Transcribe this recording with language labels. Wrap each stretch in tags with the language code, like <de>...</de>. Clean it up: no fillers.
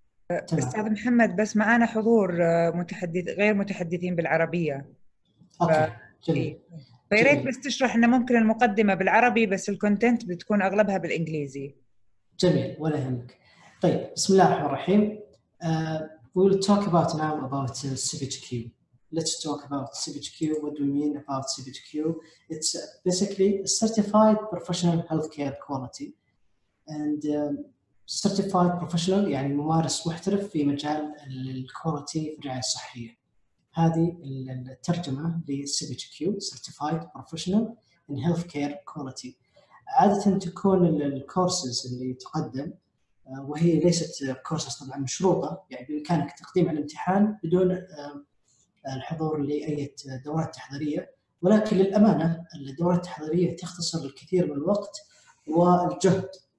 <ar>استاذ محمد، بس معانا حضور غير متحدثين بالعربيه. اوكي، يا ريت بس تشرح لنا، ممكن المقدمه بالعربي بس الكونتنت بتكون اغلبها بالانجليزي. جميل، ولا يهمك. طيب بسم الله الرحمن الرحيم.</ar> <en>We'll talk about now about CPHQ. Let's talk about CPHQ. What do we mean about CPHQ? It's basically a certified professional healthcare quality. And certified professional</en> <ar>يعني ممارس محترف في مجال الكواليتي في الرعاية الصحية. هذه الترجمة لCPHQ, certified professional in healthcare quality. عادة تكون الكورسز اللي تقدم، وهي ليست كورسز طبعا مشروطة، يعني بإمكانك تقديم على الامتحان بدون الحضور لأي دورات تحضيرية، ولكن للأمانة الدورات التحضيرية تختصر الكثير من الوقت والجهد.</ar>